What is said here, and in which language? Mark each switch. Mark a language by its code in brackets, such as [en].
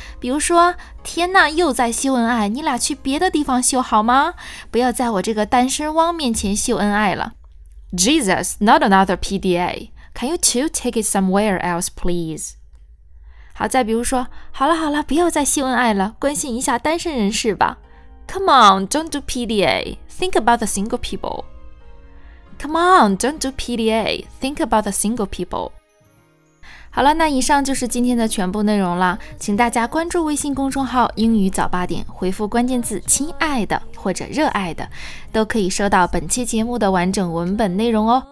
[zh] 比如说，天哪，又在秀恩爱，你俩去别的地方秀好吗？不要在我这个单身汪面前秀恩爱了。 [en] Jesus, not another PDA. Can you two take it somewhere else, please? [zh] 好，再比如说，好了好了，不要再秀恩爱了，关心一下单身人士吧。 [en] Come on, don't do PDA. Think about the single people. Come on, don't do PDA. Think about the single people. [zh] 好了，那以上就是今天的全部内容了，请大家关注微信公众号英语早八点，回复关键字亲爱的或者热爱的，都可以收到本期节目的完整文本内容哦。